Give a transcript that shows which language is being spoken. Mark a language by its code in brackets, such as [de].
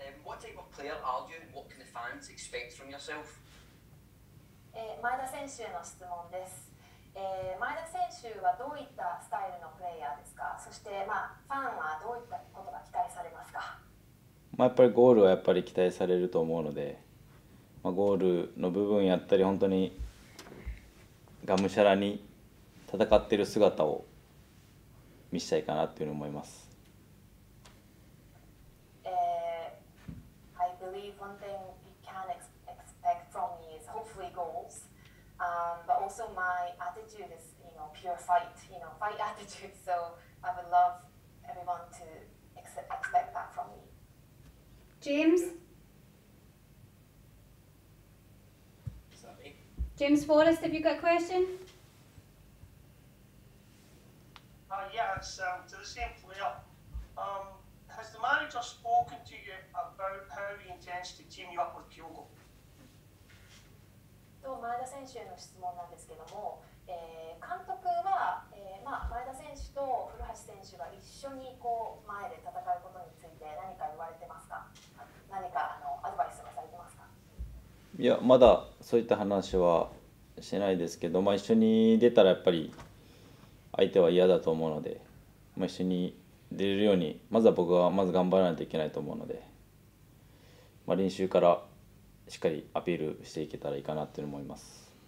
[en] What type of player are you and what can the fans expect from yourself? [ja] 前田選手への質問です。前田選手はどういったスタイルのプレイヤーですか？そして、ファンはどういったことが期待されますか？やっぱりゴールはやっぱり期待されると思うので、ゴールの部分やったり本当にがむしゃらに戦っている姿を見せたいかなというふうに思います。 [en] I believe one thing we can expect from me is hopefully goals. But also my attitude is, you know, pure fight, you know, fight attitude. So I would love everyone to expect that from me. James? James Forrest, have you got a question? It's to the same player. Has the manager spoken to you about how he intends to team you up with Kyogo? [ja] と前田選手への質問なんですけども、監督は、前田選手と古橋選手が一緒にこう前で戦うことについて何か言われてますか？何かアドバイスはされてますか？いや、まだそういった話はしてないですけど、一緒に出たらやっぱり相手は嫌だと思うので、一緒に出れるようにまずは僕はまず頑張らないといけないと思うので、練習からしっかりアピールしていけたらいいかなって思います。